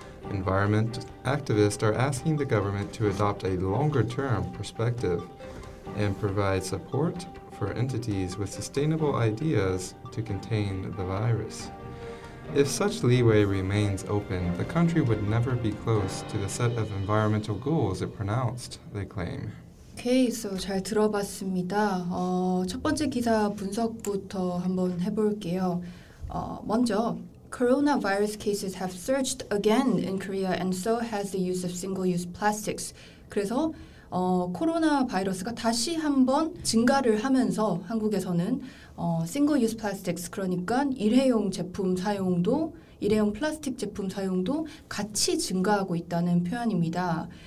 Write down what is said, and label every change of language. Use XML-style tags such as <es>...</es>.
<en>Environment activists are asking the government to adopt a longer-term perspective and provide support for entities with sustainable ideas to contain the virus. If such leeway remains open, the country would never be close to the set of environmental goals it pronounced, they claim. Okay, so</en> <ko>잘 들어봤습니다. 첫 번째 기사 분석부터 한번 해볼게요. 먼저</ko> <en>Coronavirus cases have surged again in Korea, and so has the use of single-use plastics.</en> <ko>그래서 코로나 바이러스가 다시 한번 증가를 하면서 한국에서는 single-use plastics, 그러니까 일회용 제품 사용도, 일회용 플라스틱 제품 사용도 같이 증가하고 있다는 표현입니다.</ko>